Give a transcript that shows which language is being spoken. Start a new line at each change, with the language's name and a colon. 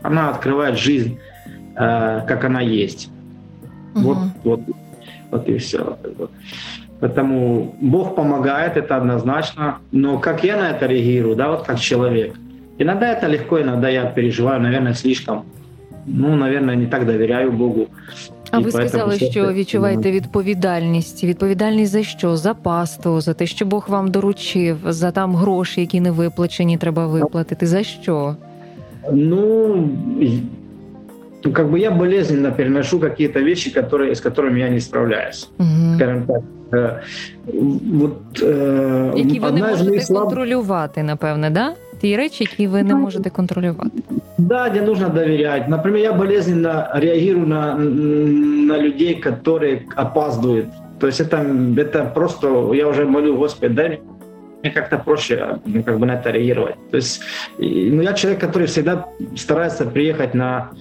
Russian: Она открывает жизнь, как она есть. Вот и все. Поэтому Бог помогает, это однозначно. Но как я на это реагирую, да, вот как человек? Иногда это легко, иногда я переживаю, наверное, слишком. Наверное, не так доверяю Богу.
Ukrainian: А ви сказали, що відчуваєте відповідальність. Відповідальність за що? За пасту, за те, що Бог вам доручив, за там гроші, які не виплачені, треба виплатити. За що?
Russian: Ну, как бы я болезненно переношу какие-то вещи, которые, с которыми я не справляюсь. Угу. Скажем так. Вот,
Ukrainian: які ви не можете контролювати, напевно, да? Ті речі, які ви не можете контролювати.
Russian: Да, де нужно доверять. Например, я болезненно реагирую на людей, которые опаздывают. То есть это просто, я уже молю Господи, дай мне как-то проще, ну, как бы на это реагировать. То есть, ну, я человек, который всегда старается приехать на...